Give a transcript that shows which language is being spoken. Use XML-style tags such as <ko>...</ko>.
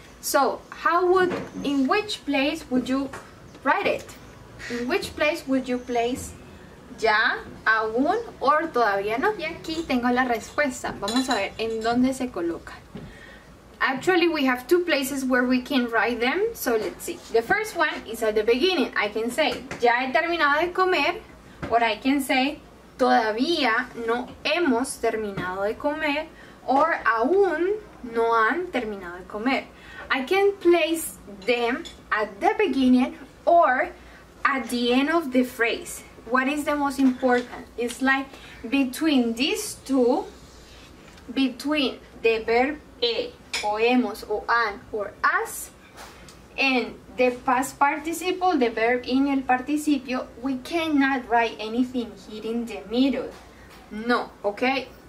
<en>So, in which place would you write it? In which place would you place ya, aún, o todavía no?</en> <es>Y aquí tengo la respuesta. Vamos a ver en dónde se coloca.</es> <en>Actually, we have two places where we can write them. So, let's see. The first one is at the beginning. I can say,</en> <es>ya he terminado de comer.</es> <en>Or I can say,</en> <es>todavía no hemos terminado de comer.</es> <en>Or</en> <es>aún no han terminado de comer.</es> <en>I can place them at the beginning or at the end of the phrase. What is the most important? It's like between these two, between the verb he,</en> <es>o hemos, o han,</es> <en>or has, and the past participle, the verb in el participio, we cannot write anything here in the middle. No, okay?</en>